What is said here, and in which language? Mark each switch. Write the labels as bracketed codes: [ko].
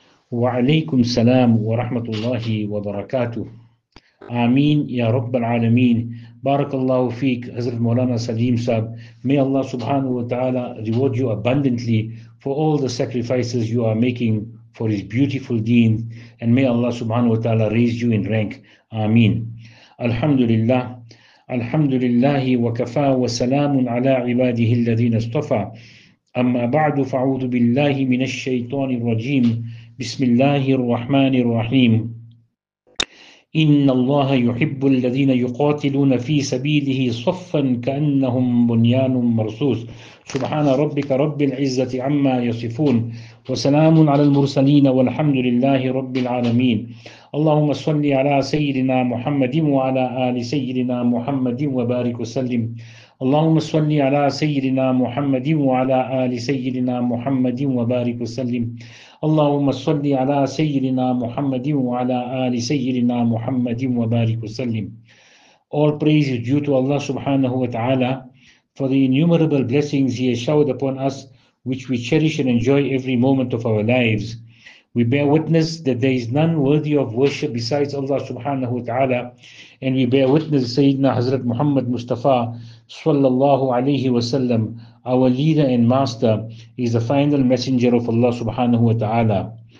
[ar] وعليكم السلام ورحمة الله وبركاته. آمين يا رب العالمين. بارك الله فيك حضرة مولانا سليم صاحب. [en] May Allah سبحانه وتعالى reward you abundantly for all the sacrifices you are making for his beautiful deen. And may Allah سبحانه وتعالى raise you in rank. [ar] آمين. الحمد لله. الحمد لله وكفى وسلام على عباده الذين اصطفى. أما بعد فأعوذ بالله من الشيطان الرجيم. بسم الله الرحمن الرحيم. إن الله يحب الذين يقاتلون في سبيله صفا كأنهم بنيان مرصوص. سبحان ربك رب العزة عما يصفون وسلام على المرسلين والحمد لله رب العالمين. اللهم صل على سيدنا محمد وعلى آل سيدنا محمد وبارك وسلم. اللهم صل على سيدنا محمد وعلى آل سيدنا محمد وبارك وسلم. اللهم صل على سيدنا محمد وعلى آل سيدنا محمد وبارك وسلم. [en] All praise is due to Allah subhanahu wa ta'ala for the innumerable blessings he has showered upon us, which we cherish and enjoy every moment of our lives. We bear witness that there is none worthy of worship besides Allah subhanahu wa ta'ala, and we bear witness Sayyidina Hazrat Muhammad Mustafa sallallahu alayhi wa sallam, our leader and master, is the final messenger of Allah subhanahu wa ta'ala.